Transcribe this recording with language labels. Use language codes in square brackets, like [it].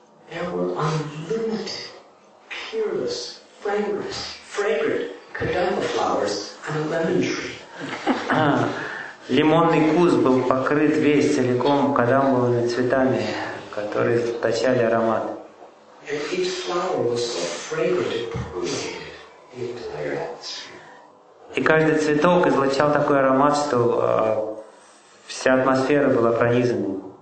[en] There were unlimited, peerless, fragrant, kadamba flowers on a lemon tree. [ru] Лимонный куст был покрыт весь целиком кадамбовыми цветами, которые источали аромат. [en] And each flower was so fragrant it permeated the entire atmosphere. [ru] И каждый цветок излучал такой аромат, что вся атмосфера была пронизана.